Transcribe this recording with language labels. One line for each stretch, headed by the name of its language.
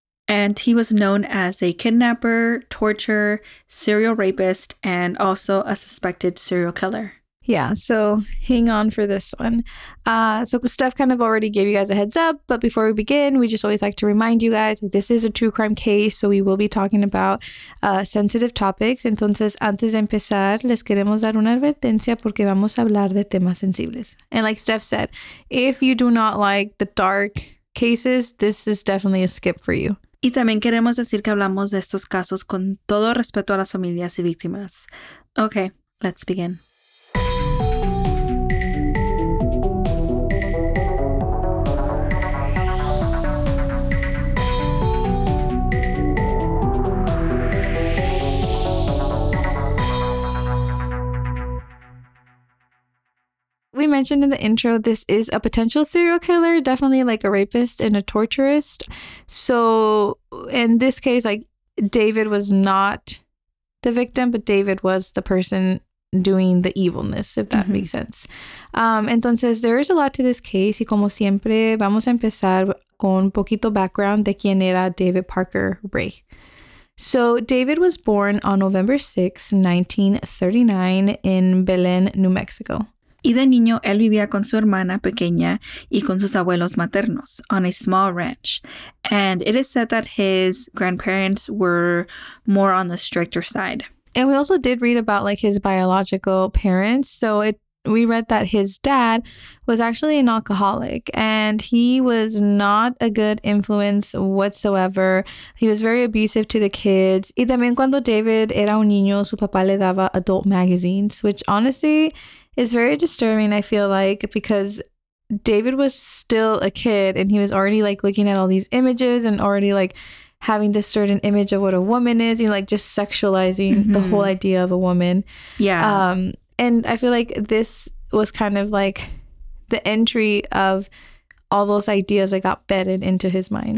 English: And he was known as a kidnapper, torturer, serial rapist, and also a suspected serial killer. Yeah, so hang on for this one. So Steph kind of already gave you guys a heads up, but before we begin, we just always like to remind you guys, this is a true crime case, so we will be talking about sensitive topics.
Spanish: Entonces, antes de empezar, les queremos dar una advertencia porque vamos a hablar de temas sensibles.
English: And like Steph said, if you do not like the dark cases, this is definitely a skip for you.
Spanish: Y también queremos decir que hablamos de estos casos con todo respeto a las familias y víctimas.
English: Okay, let's begin. We mentioned in the intro, this is a potential serial killer, definitely like a rapist and a torturist. So in this case, like David was not the victim, but David was the person doing the evilness, if that makes sense.
Spanish: Entonces,
English: there is a lot to this case.
Spanish: Y como siempre, vamos a empezar con un poquito background de quién era David Parker Ray.
English: So David was born on November 6, 1939 in Belen, New Mexico.
Spanish: Y de niño, él vivía con su hermana pequeña y con sus abuelos maternos
English: on a small ranch. And it is said that his grandparents were more on the stricter side. And we also did read about like his biological parents. So we read that his dad was actually an alcoholic and he was not a good influence whatsoever. He was very abusive to the kids.
Spanish: Y también cuando David era un niño, su papá le daba
English: adult magazines, which honestly... It's very disturbing, I feel like, because David was still a kid and he was already like looking at all these images and already like having this certain image of what a woman is, you know, like just sexualizing the whole idea of a woman. Yeah. And I feel like this was kind of like the entry of all those ideas that got bedded into his mind.